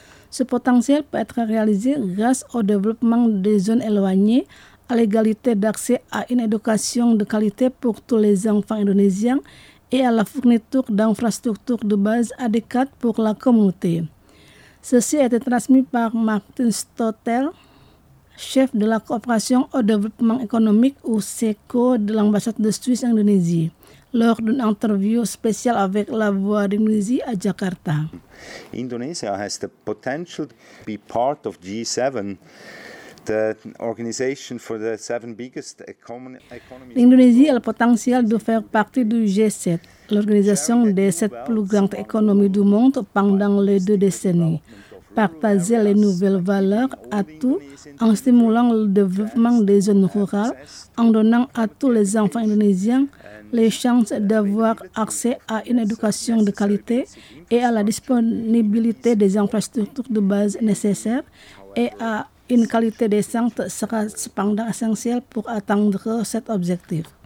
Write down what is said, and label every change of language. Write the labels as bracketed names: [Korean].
[French] Ce potentiel peut être réalisé grâce au développement des zones éloignées, à l'égalité d'accès à une éducation de qualité pour tous les enfants indonésiens et à la fourniture d'infrastructures de base adéquates pour la communauté. Ceci a été transmis par Martin Stotel, chef de la coopération au développement économique ou SECO de l'ambassade de Suisse en Indonésie, lors d'une interview spéciale avec La Voix d'Indonésie à Jakarta. [English] Indonesia has the potential to be part of G7, the organization for the seven biggest economies. [French] L'Indonésie a le potentiel de faire partie du G7, l'organisation des sept plus grandes économies du monde pendant les deux décennies. Partager les nouvelles valeurs à tous en stimulant le développement des zones rurales, en donnant à tous les enfants indonésiens les chances d'avoir accès à une éducation de qualité et à la disponibilité des infrastructures de base nécessaires et à une qualité décente sera cependant essentielle pour atteindre cet objectif.